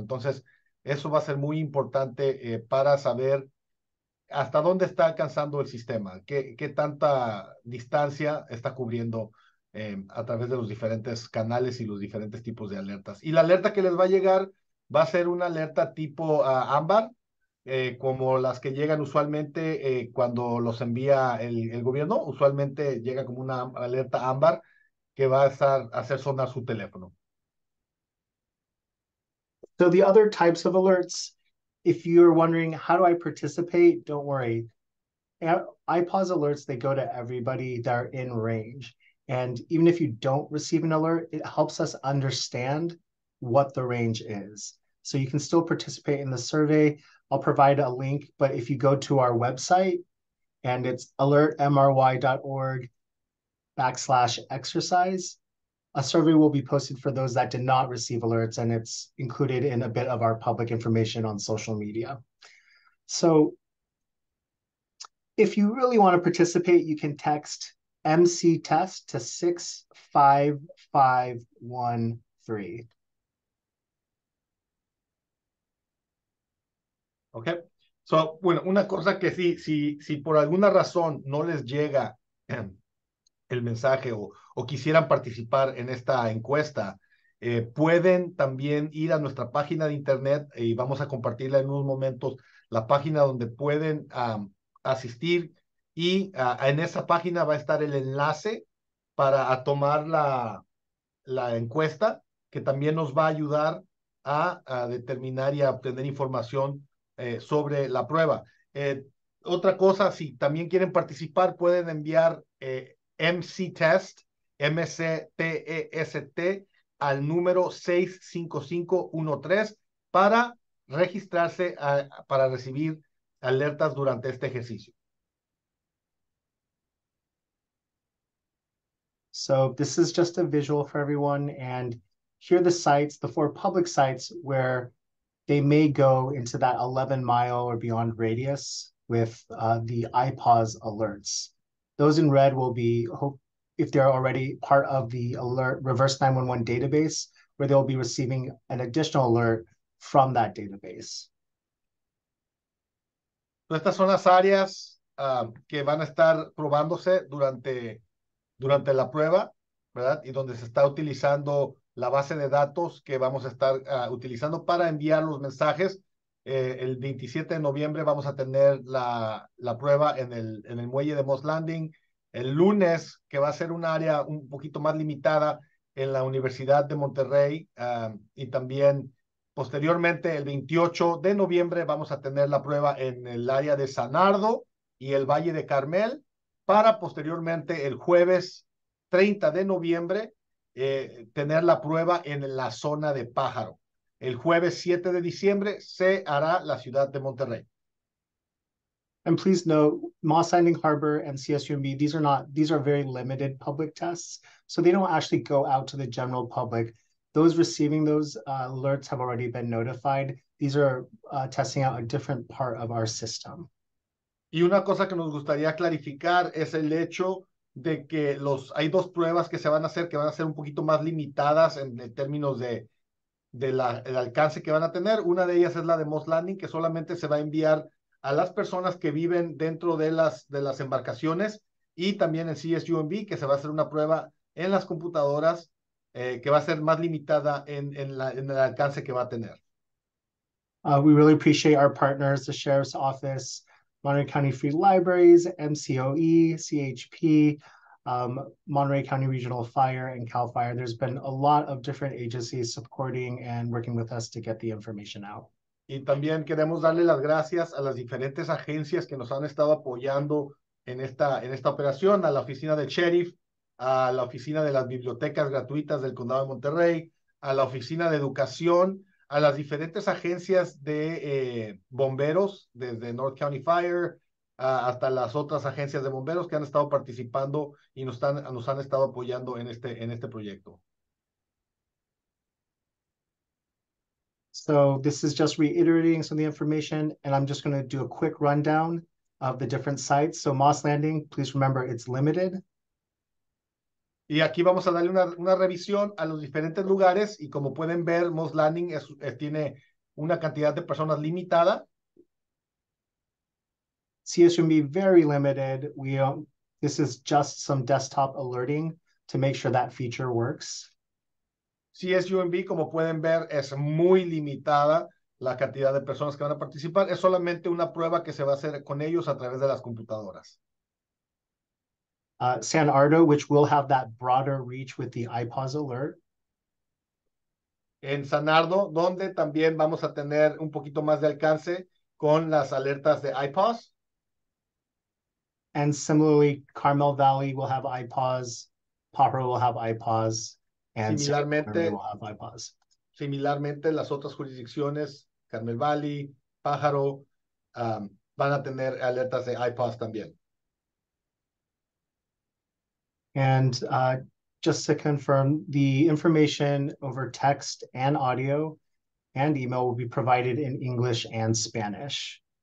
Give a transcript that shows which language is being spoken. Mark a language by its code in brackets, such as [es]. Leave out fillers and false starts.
[es] Entonces, eso va a ser muy importante para saber hasta dónde está alcanzando el sistema, qué tanta distancia está cubriendo a través de los diferentes canales y los diferentes tipos de alertas. Y la alerta que les va a llegar va a ser una alerta tipo ámbar, Como las que llegan usualmente cuando los envía el gobierno, usualmente llega como una alerta ámbar que va a hacer sonar su teléfono. [en] So the other types of alerts, if you're wondering how do I participate, don't worry. iPause alerts, they go to everybody that are in range. And even if you don't receive an alert, it helps us understand what the range is. So you can still participate in the survey. I'll provide a link, but if you go to our website and it's alertmry.org/exercise, a survey will be posted for those that did not receive alerts, and it's included in a bit of our public information on social media. So if you really want to participate, you can text MC test to 65513. Okay, so [es] bueno, una cosa que si por alguna razón no les llega el mensaje o quisieran participar en esta encuesta, pueden también ir a nuestra página de internet y vamos a compartirla en unos momentos, la página donde pueden asistir y en esa página va a estar el enlace para a tomar la encuesta que también nos va a ayudar a determinar y a obtener información. Sobre la prueba. Otra cosa, si también quieren participar, pueden enviar MC Test, MCTEST, al número 65513 para registrarse para recibir alertas durante este ejercicio. [en] So this is just a visual for everyone. And here are the sites, the four public sites where they may go into that 11-mile or beyond radius with the iPause alerts. Those in red will be, hope if they're already part of the alert reverse 911 database, where they'll be receiving an additional alert from that database. [es] Estas son las áreas que van a estar probándose durante la prueba, ¿verdad? Y donde se está utilizando la base de datos que vamos a estar utilizando para enviar los mensajes. El 27 de noviembre vamos a tener la prueba en el muelle de Moss Landing. El lunes, que va a ser un área un poquito más limitada en la Universidad de Monterrey, y también. Posteriormente, el 28 de noviembre, vamos a tener la prueba en el área de San Nardo y el Valle de Carmel, para posteriormente, el jueves 30 de noviembre, tener la prueba en la zona de Pájaro. El jueves 7 de diciembre se hará la ciudad de Monterrey. [en] And please note, Moss Landing Harbor and CSUMB, these are very limited public tests. So they don't actually go out to the general public. Those receiving those alerts have already been notified. These are testing out a different part of our system. [es] Y una cosa que nos gustaría clarificar es el hecho de que hay dos pruebas que se van a hacer, que van a ser un poquito más limitadas en términos el alcance que van a tener. Una de ellas es la de Moss Landing, que solamente se va a enviar a las personas que viven dentro de las embarcaciones, y también en CSUMB, que se va a hacer una prueba en las computadoras, que va a ser más limitada en el alcance que va a tener. [en] We really appreciate our partners, the Sheriff's Office, Monterey County Free Libraries, MCOE, CHP, Monterey County Regional Fire, and CAL FIRE. There's been a lot of different agencies supporting and working with us to get the information out. [es] Y también queremos darle las gracias a las diferentes agencias que nos han estado apoyando en esta operación, a la oficina del sheriff, a la oficina de las bibliotecas gratuitas del condado de Monterrey, a la oficina de educación, a las diferentes agencias de bomberos, desde North County Fire hasta las otras agencias de bomberos que han estado participando y nos han estado apoyando en este proyecto. [en] So this is just reiterating some of the information, and I'm just going to do a quick rundown of the different sites. So Moss Landing, please remember it's limited. [es] Y aquí vamos a darle una revisión a los diferentes lugares y como pueden ver, Moss Landing tiene una cantidad de personas limitada. [en] CSUMB, very limited. This is just some desktop alerting to make sure that feature works. [es] CSUMB, como pueden ver, es muy limitada. la cantidad de personas que van a participar. Es solamente una prueba que se va a hacer con ellos a través de las computadoras. [en] San Ardo, which will have that broader reach with the IPAWS alert. [es] En San Ardo, donde también vamos a tener un poquito más de alcance con las alertas de IPAWS. [en] And similarly, Carmel Valley will have IPAWS, Pajaro will have IPAWS, and [es] similarmente, [en] San Ardo will have IPAWS. [es] Similarmente, las otras jurisdicciones, Carmel Valley, Pajaro, van a tener alertas de IPAWS también. [en] And just to confirm, the information over text and audio and email will be provided in English and Spanish.